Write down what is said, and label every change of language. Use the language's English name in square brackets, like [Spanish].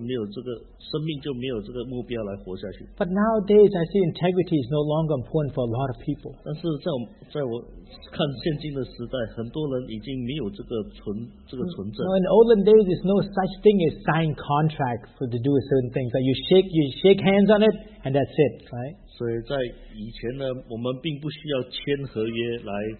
[Chinese] 所以当我们失去了方向，我们失去了这个生命的这个意义，所以我们就没有这个目标来活下去。But [English] nowadays, I see integrity is no longer important for a lot of people. [Chinese] 但是在我看现今的时代，很多人已经没有这个纯正。 [English] In olden days, there's no such thing as sign contract for to do a certain thing. So you shake hands on it, and that's it, right? [Chinese] 所以在以前呢，我们并不需要签合约来。